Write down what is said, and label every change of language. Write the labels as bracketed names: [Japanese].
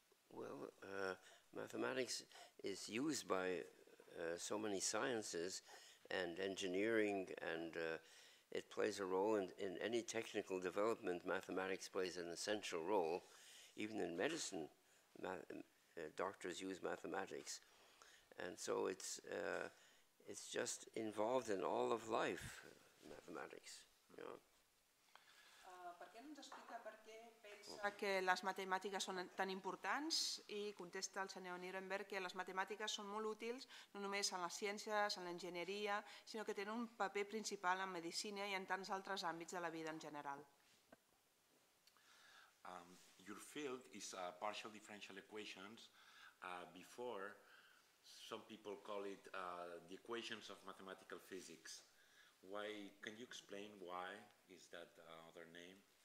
[English] Well, mathematics is used by so many sciences and engineering and it plays a role in any technical development. Mathematics plays an essential role. Even in medicine, doctors use mathematics. And so it's just involved in all of life, mathematics. You know. [Catalan] Per què no ens explica per què pensa que les matemàtiques són tan importants? I contesta el senyor Nuremberg que les matemàtiques són molt útils no només en les ciències, en l'enginyeria, sinó que tenen un paper principal en medicina i en tants altres àmbits de la vida en general. [English] Your field is partial differential equations. Before, some people call it the equations of mathematical physics. Why, can you explain why is that other name?